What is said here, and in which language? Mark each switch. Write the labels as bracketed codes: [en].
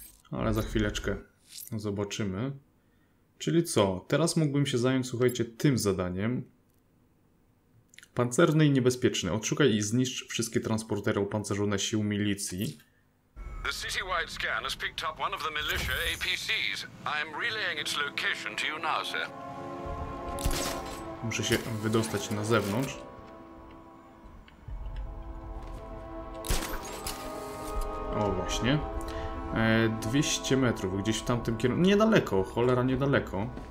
[pl] Ale za chwileczkę zobaczymy. Czyli co? Teraz mógłbym się zająć, słuchajcie, tym zadaniem. Pancerny i niebezpieczny. Odszukaj i zniszcz wszystkie transportery opancerzone sił milicji. [en] The city-wide scan has picked up one of the militia APCs. I'm relaying its location to you now, sir. [pl] Muszę się wydostać na zewnątrz. O, właśnie. 200 metrów, gdzieś w tamtym kierunku. Niedaleko, cholera, niedaleko.